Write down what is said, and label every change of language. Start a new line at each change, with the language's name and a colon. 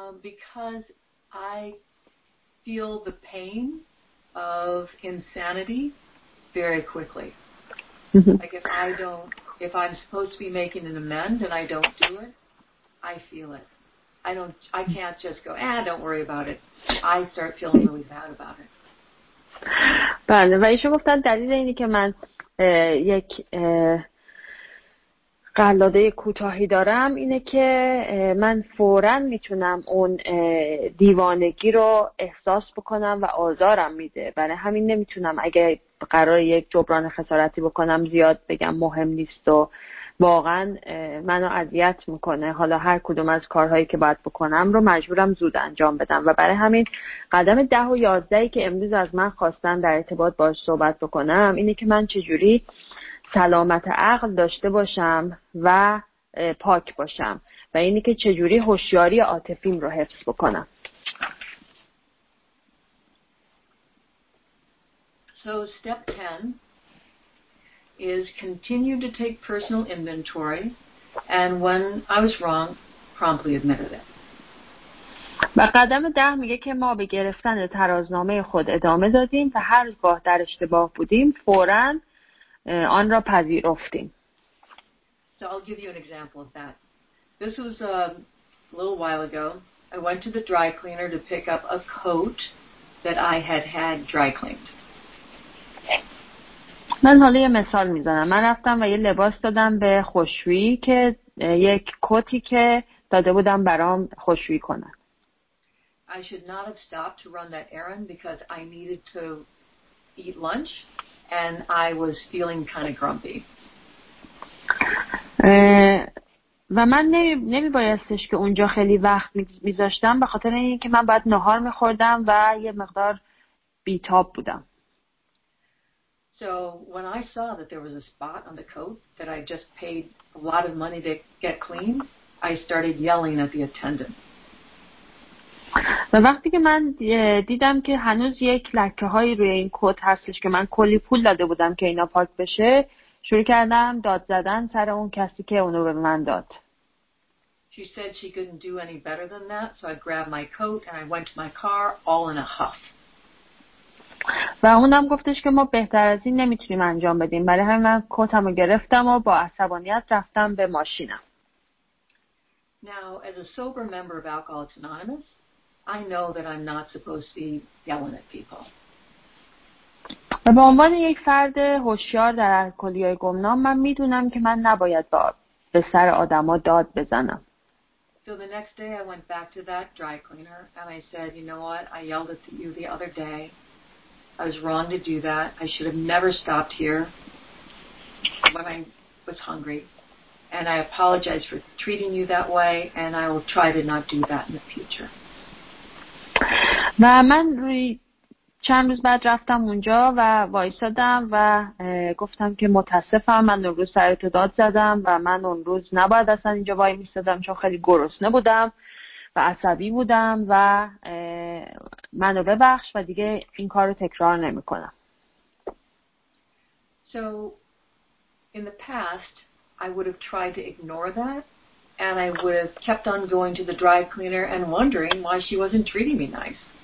English: Because I feel the pain of insanity very quickly. Like if I'm supposed to be making an amend and I don't do it, I feel it. I can't just go, don't worry about it. I start feeling really bad about it.
Persian: بله، و ایشون گفتن دلیل اینی که من یک قلاده کوتاهی دارم اینه که من فوراً میتونم اون دیوانگی رو احساس بکنم و آزارم میده. برای همین نمیتونم اگه قرار یک جبران خسارتی بکنم زیاد بگم مهم نیست و واقعا منو اذیت میکنه. حالا هر کدوم از کارهایی که باید بکنم رو مجبورم زود انجام بدم و برای همین قدم 10 و 11 که امروز از من خواستن در ارتباط باش صحبت بکنم اینه که من چجوری سلامت عقل داشته باشم و پاک باشم و اینی که چجوری هوشیاری عاطفیم رو حفظ بکنم.
English: So step 10 is continue to take personal inventory, and when I was wrong, promptly admitted it.
Persian: و قدم ده میگه که ما به گرفتن ترازنامه خود ادامه دادیم و هرگاه در اشتباه بودیم فوراً آن را پذیرفتیم.
English: So I'll give you an example of that. This was a little while ago. I went to the dry cleaner to pick up a coat that I had had dry cleaned.
Persian: من حالا یه مثال میزنم. من رفتم و یه لباس دادم به خوشویی که یک کتی که داده بودم برام خوشویی کنن.
English: I should not have stopped to run that errand because I needed to eat lunch and I was feeling kind of grumpy.
Persian: و من نمیبایستش که اونجا خیلی وقت میذاشتم به خاطر اینکه من بعد نهار میخوردم و یه مقدار بیتاب بودم.
English: So when I saw that there was a spot on the coat that I just paid a lot of money to get clean, I started yelling at the attendant.
Persian: و وقتی که من دیدم که هنوز یک لکه‌هایی روی این کت هستش که من کلی پول داده بودم که اینا پاک بشه، شروع کردم داد زدن سر اون کسی که اونو به من داد.
English: She said she couldn't do any better than that, so I grabbed my coat and I went to my car all in a huff.
Persian: و اونم گفتش که ما بهتر از این نمیتونیم انجام بدیم. برای همین من کتمو گرفتم و با عصبانیت رفتم به ماشینم.
English: Now, as a sober member of Alcoholics Anonymous, I know that I'm not supposed to be yelling at people.
Persian: و به عنوان یک فرد هوشیار در الکلیای گمنام من میدونم که من نباید به سر آدما داد بزنم.
English: So the next day I went back to that dry cleaner and I said, you know what, I yelled at you the other day. I was wrong to do that. I should have never stopped here when I was hungry. And I apologize for treating you that way and I will try to not do that in the future.
Persian: و من روی چند روز بعد رفتم اونجا و وایسادم و گفتم که متاسفم، من اون روز سرت داد زدم و من اون روز نباید اصلا اینجا وای میستادم چون خیلی گرسنه بودم و عصبی بودم و منو ببخش و دیگه این کارو تکرار نمی کنم.
English: So in the past I would have tried to ignore that and I would have kept on going to the dry cleaner and wondering why she wasn't treating me nice.